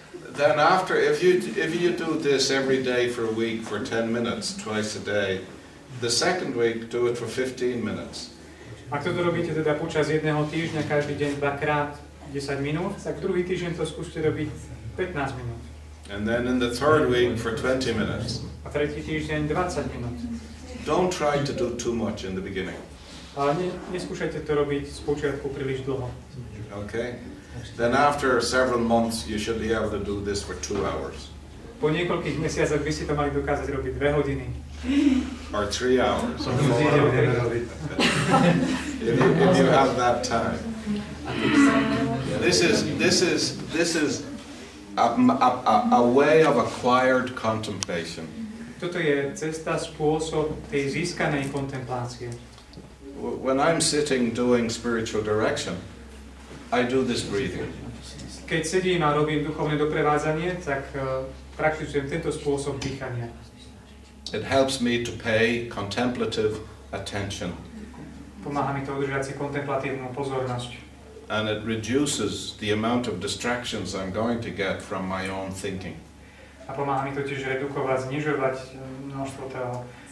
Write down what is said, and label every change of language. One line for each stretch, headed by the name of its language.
English: Then after, if you do this every day for a week for 10 minutes, twice a day, the second week do it for 15 minutes.
Slovak: Ak to robíte teda počas jedného týždňa, každý deň dvakrát 10 minút, tak druhý týždeň to skúste robiť 15 minút.
English: And then in the third week for 20 minutes.
Slovak: A tretí týždeň 20 minút.
English: Don't try to do too much in the beginning.
Slovak: Ale neskúšajte to robiť z počiatku príliš dlho.
English: Okay. Then after several months you should be able to do this for 2 hours.
Slovak: Po niekoľkých mesiacoch by ste to mali dokázať robiť 2 hodiny.
English: Or 3 hours. if you have that time. This is a way of acquired contemplation.
Slovak: Toto je cesta, spôsob tej získanej kontemplácie.
English: When I'm sitting doing spiritual direction, I do this breathing.
Slovak: Keď sedím a robím duchovné doprevádzanie, tak praktizujem tento spôsob dýchania.
English: It helps me to pay contemplative attention.
Slovak: Pomáha mi to udržať si kontemplatívnu pozornosť.
English: And it reduces the amount of distractions I'm going to get from my own thinking.
Slovak: A pomáha mi to tiež redukovať, znižovať množstvo toho